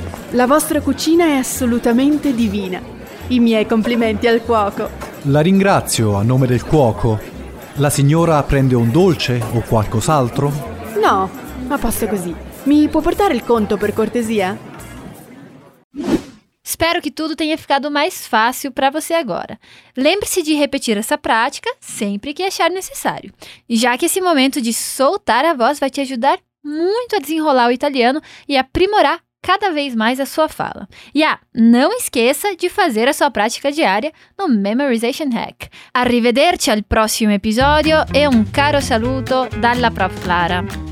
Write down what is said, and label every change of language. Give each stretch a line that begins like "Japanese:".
Italian: La vostra cucina è assolutamente divina. I miei complimenti al cuoco. La ringrazio a nome del cuoco. La signora prende un dolce o qualcos'altro? No, ma posso così. Mi può portare il conto per cortesia?
Portuguese: Espero que tudo tenha ficado mais fácil para você agora. Lembre-se de repetir essa prática sempre que achar necessário, já que esse momento de soltar a voz vai te ajudar muito a desenrolar o italiano e aprimorar cada vez mais a sua fala. E não esqueça de fazer a sua prática diária no Memorization Hack.
Italian: Arrivederci al prossimo episodio e un caro saluto dalla Prof. Clara.